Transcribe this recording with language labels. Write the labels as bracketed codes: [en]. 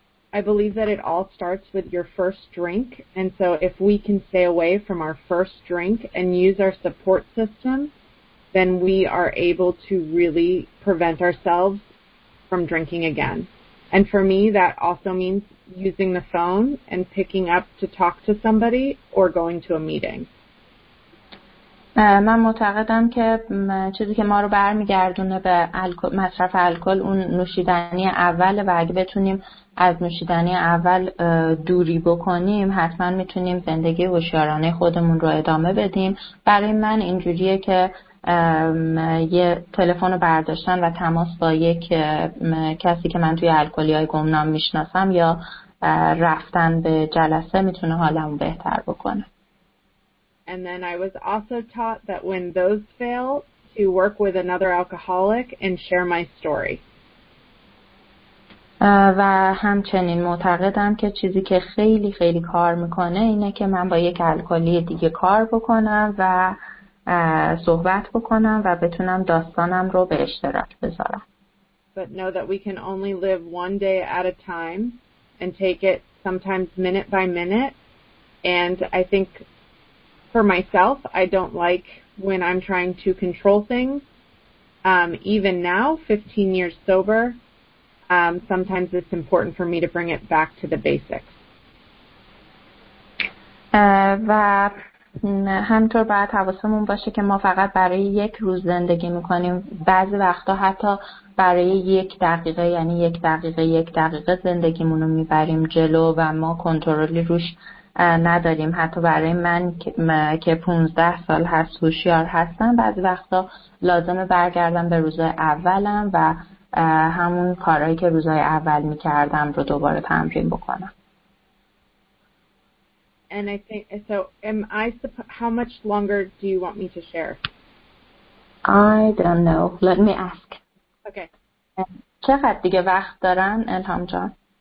[en] I believe that it all starts with your first drink, and so if we can stay away from our first drink and use our support system, then we are able to really prevent ourselves from drinking again. And for me, that also means using the phone and picking up to talk to somebody or going to a meeting. [fa] من معتقدم که چیزی که ما رو برمیگردونه به الکل، مصرف الکل، اون نوشیدنی اول، و اگه بتونیم از نوشیدنی اول دوری بکنیم حتما میتونیم زندگی هوشیارانه خودمون رو ادامه بدیم. برای من اینجوریه که یه تلفن رو برداشتن و تماس با یک کسی که من توی الکلی‌های گمنام میشناسم یا رفتن به جلسه میتونه حالمو بهتر بکنه. [en] And then I was also taught that when those fail, to work with another alcoholic and share my story. [fa] و همچنین معتقدم که چیزی که خیلی خیلی کار میکنه اینه که من با یک الکلی دیگه کار بکنم و صحبت بکنم و بتونم داستانم رو به اشتراک بذارم. [en] But know that we can only live one day at a time and take it sometimes minute by minute. And I think for myself, I don't like when I'm trying to control things. Even now, 15 years sober, sometimes it's important for me to bring it back to the basics. [fa] و همطور باید حواسمون باشه که ما فقط برای یک روز زندگی میکنیم. بعضی وقتا حتی برای یک دقیقه، یعنی یک دقیقه زندگیمونو میبریم جلو و ما کنترلی روش نداریم. حتی برای من که 15 سال هست هوشیار هستم، بعضی وقتا لازمه برگردم به روزهای اولم و همون کارهایی که روزهای اول می‌کردم رو دوباره تمرین بکنم. [en] And I think so am I how much longer do you want me to share? I don't know. Let me ask. Okay. [fa] چقدر دیگه وقت دارن الهام جان؟